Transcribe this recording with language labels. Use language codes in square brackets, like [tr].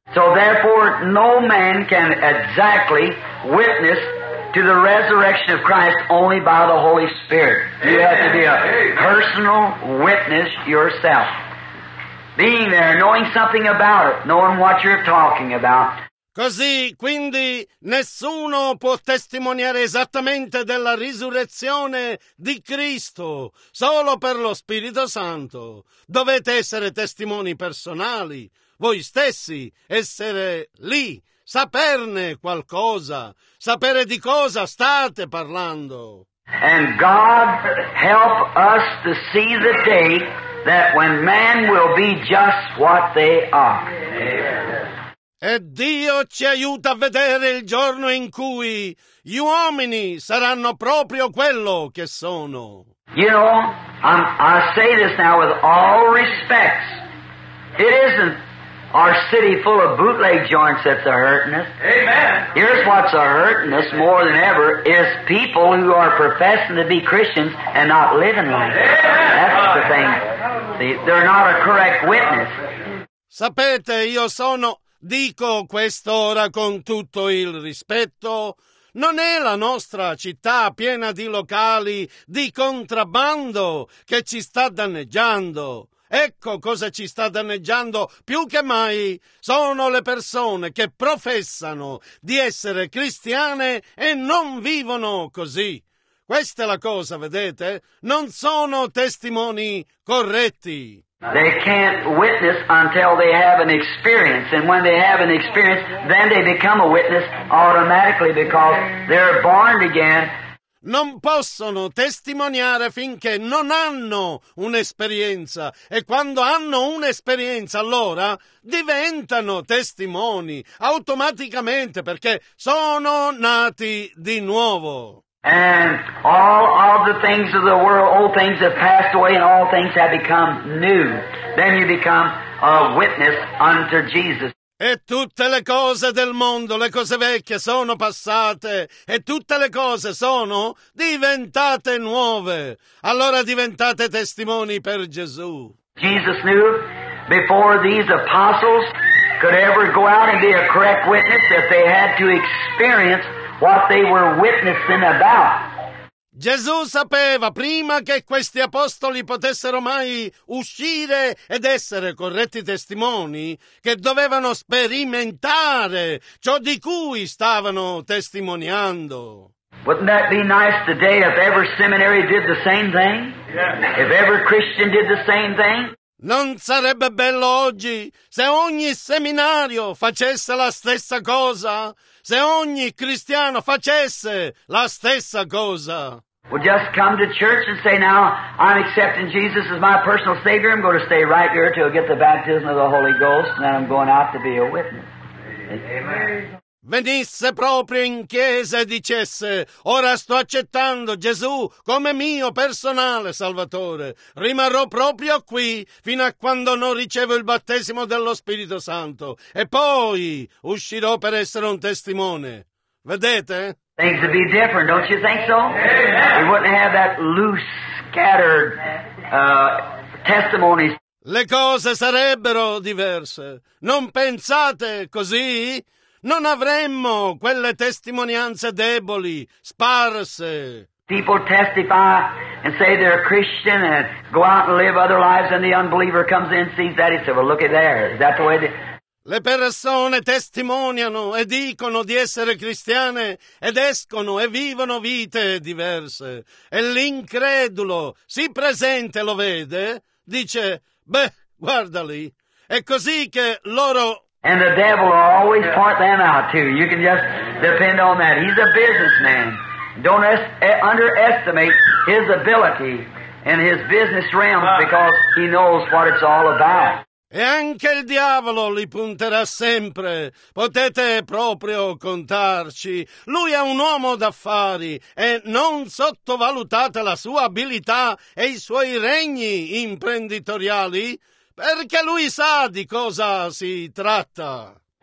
[en] So therefore no man can exactly witness to the resurrection of Christ only by the Holy Spirit. You have to be a personal witness yourself. Being there, knowing something about it, knowing what you're talking about. [it] Così, quindi, nessuno può testimoniare esattamente della risurrezione di Cristo solo per lo Spirito Santo. Dovete essere testimoni personali, voi stessi, essere lì, saperne qualcosa, sapere di cosa state parlando. [en] And God help us to see the day that when man will be just what they are. [it] E Dio ci aiuta a vedere il giorno in cui gli uomini saranno proprio quello che sono. [en] You know, I say this now with all respects. It isn't our city full of bootleg joints that's a hurting us. Amen. Here's what's a hurting us more than ever is people who are professing to be Christians and not living like that. That's the thing. They're not a correct witness. [it] Sapete, io sono... Dico quest'ora con tutto il rispetto, non è la nostra città piena di locali di contrabbando che ci sta danneggiando. Ecco cosa ci sta danneggiando più che mai: sono le persone che professano di essere cristiane e non vivono così. Questa è la cosa, vedete? Non sono testimoni corretti. [en] They can't witness until they have an experience, and when they have an experience, then they become a witness automatically because they're born again. [it] Non possono testimoniare finché non hanno un'esperienza, e quando hanno un'esperienza, allora diventano testimoni automaticamente perché sono nati di nuovo. [en] And all of the things of the world, old things have passed away, and all things have become new. Then you become a witness unto Jesus. [it] E tutte le cose del mondo, le cose vecchie, sono passate. E tutte le cose sono diventate nuove. Allora diventate testimoni per Gesù. [en] Jesus knew before these apostles could ever go out and be a correct witness that they had to experience what they were witnessing about. [it] Gesù sapeva, prima che questi apostoli potessero mai uscire ed essere corretti testimoni, che dovevano sperimentare ciò di cui stavano testimoniando. [en] Wouldn't that be nice today if every seminary did the same thing? Yeah. If every Christian did the same thing? [it] Non sarebbe bello oggi se ogni seminario facesse la stessa cosa? Se ogni cristiano facesse la stessa cosa? [en] Well, just come to church and say, now, I'm accepting Jesus as my personal Savior. I'm going to stay right here till I get the baptism of the Holy Ghost, and then I'm going out to be a witness. Amen. [it] Venisse proprio in chiesa e dicesse, ora sto accettando Gesù come mio personale Salvatore. Rimarrò proprio qui fino a quando non ricevo il battesimo dello Spirito Santo. E poi uscirò per essere un testimone. Vedete? [en] Things would be different, don't you think so? Amen. We wouldn't have that loose, scattered testimonies. [it] Le cose sarebbero diverse. Non pensate così? Non avremmo quelle testimonianze deboli, sparse. [en] People testify and say they're a Christian and go out and live other lives, and the unbeliever comes in, sees that, he says, well, look at there. Is that the way they... [it] Le persone testimoniano e dicono di essere cristiane ed escono e vivono vite diverse. E l'incredulo si presenta e lo vede, dice, beh, guardali. È così che loro... [en] And the devil will always point them out too. You can just depend on that. He's a businessman. Don't underestimate his ability and his business realm because he knows what it's all about. [it] E anche il diavolo li punterà sempre. Potete proprio contarci. Lui è un uomo d'affari e non sottovalutate la sua abilità e i suoi regni imprenditoriali, perché lui sa di cosa si tratta.